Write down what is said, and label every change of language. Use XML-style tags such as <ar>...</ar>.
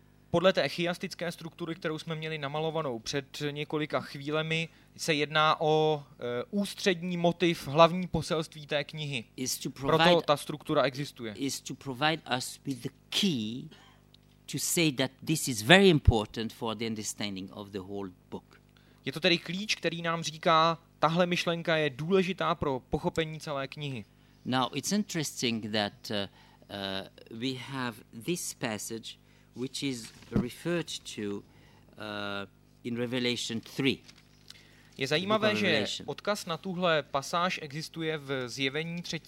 <cs>Podle té chiastické struktury, kterou jsme měli namalovanou před několika chvílemi, se jedná o ústřední motiv, hlavní poselství té knihy. Proto ta struktura existuje.</cs> <en>Is to provide us with the key to say that this is very important for the understanding of the whole book.</en> <cs>Je to tedy klíč, který nám říká, tahle myšlenka je důležitá pro pochopení celé knihy.</cs> <en>Now it's interesting that we have this passage which is referred to in Revelation 3.</en> <cs>Je zajímavé, že odkaz na tuhle pasáž existuje v Zjevení 3.</cs>